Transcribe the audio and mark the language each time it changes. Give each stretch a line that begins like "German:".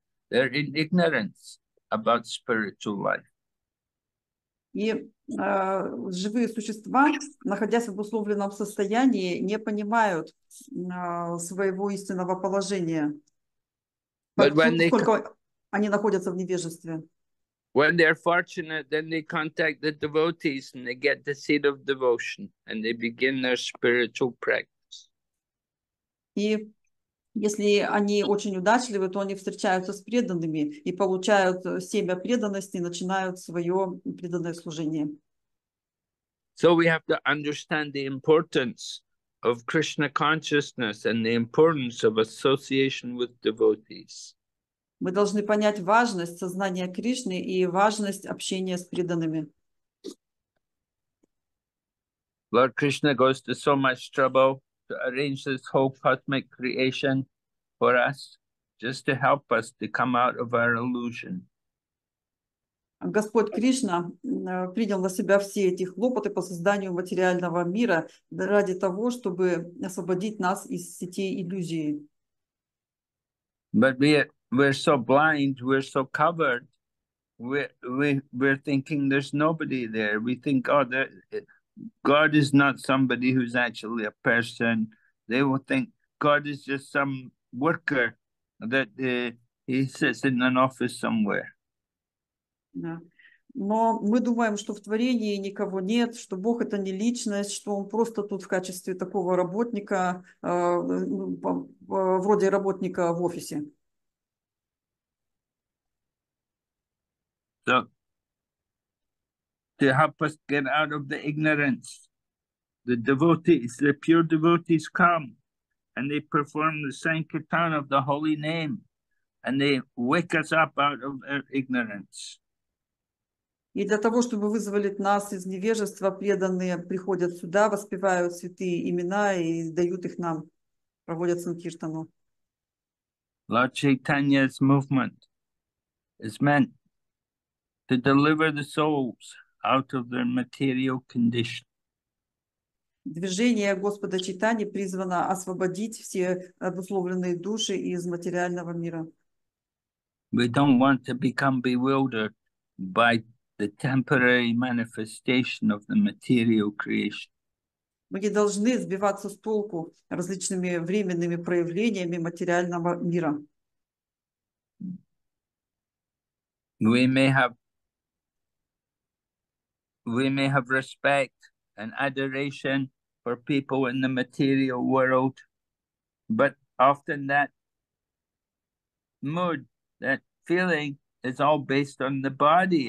English: They're in ignorance about spiritual life.
Russian: И живые существа, находясь в обусловленном состоянии, не понимают своего истинного положения, поскольку они находятся в невежестве.
English: When they're fortunate, then they contact the devotees and they get the seed of devotion and they begin their spiritual practice.
Russian: И если они очень удачливы, то они встречаются с преданными и получают семя преданности, начинают свое преданное служение.
English: So we have to understand the importance of Krishna consciousness and the importance of association with devotees.
Russian: Мы должны понять важность сознания Кришны и важность общения с преданными.
English: Lord Krishna goes to so much trouble to arrange this whole cosmic creation for us, just to help us to come out of our illusion.
Russian: Господь Кришна принял на себя все эти хлопоты по созданию материального мира ради того, чтобы освободить нас из сетей иллюзии.
English: But we're so blind, we're so covered, we're thinking there's nobody there. We think, oh, God is not somebody who's actually a person. They will think God is just some worker that he sits in an office somewhere.
Russian: Но мы думаем, что в творении никого нет, что Бог это не личность, что он просто тут в качестве такого работника, вроде работника в офисе.
English: So, to help us get out of the ignorance, the devotees, the pure devotees come and they perform the sankirtan of the holy name and they wake us up out of our ignorance.
Russian: И для того, чтобы вызволить нас из невежества, преданные приходят сюда, воспевают святые имена и дают их нам, проводят санкиртану.
English: Lord Chaitanya's movement is meant to deliver the souls out of their material condition.
Russian: Движение Господа Чайтани призвано освободить все обусловленные души из материального мира.
English: We don't want to become bewildered by the temporary manifestation of the material creation.
Russian: Мы не должны сбиваться с толку различными временными проявлениями материального мира.
English: We may have respect and adoration for people in the material world, but often that mood, that feeling, it's all based on the body.